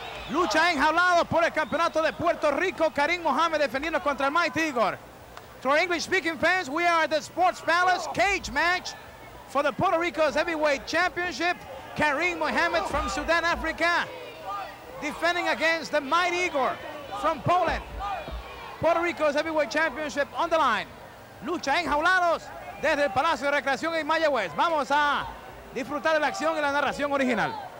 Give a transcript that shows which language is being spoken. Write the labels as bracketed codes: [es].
[es] Lucha enjaulado por el campeonato de Puerto Rico. Karim Mohamed defendiendo contra el Mighty Igor. [en] To our English speaking fans, we are at the Sports Palace cage match for the Puerto Rico's Heavyweight Championship. Karim Mohamed from Sudan, Africa, defending against the Mighty Igor from Poland. Puerto Rico's Heavyweight Championship on the line. [es] Lucha enjaulados desde el Palacio de Recreación en Mayagüez. Vamos a disfrutar de la acción y la narración original.